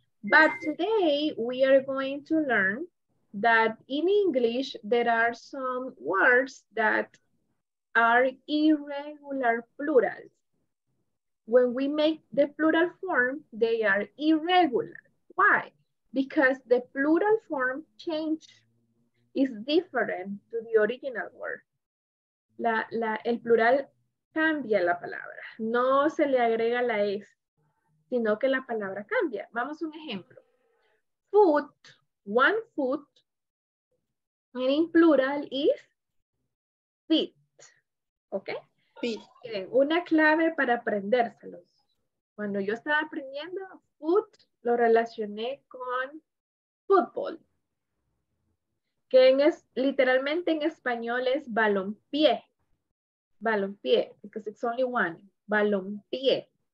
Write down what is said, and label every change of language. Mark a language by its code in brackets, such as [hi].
[en] But today we are going to learn that in English there are some words that are irregular plurals. When we make the plural form, they are irregular. Why? Because the plural form change is different to the original word. [es] El plural cambia la palabra. No se le agrega la S, sino que la palabra cambia. Vamos a un ejemplo. [en] Foot, one foot, and in plural is feet. ¿Ok? [es] Sí. Una clave para aprendérselos. Cuando yo estaba aprendiendo, foot lo relacioné con fútbol. Que literalmente en español es balompié. [en] Balompié, because it's only one. Balompié.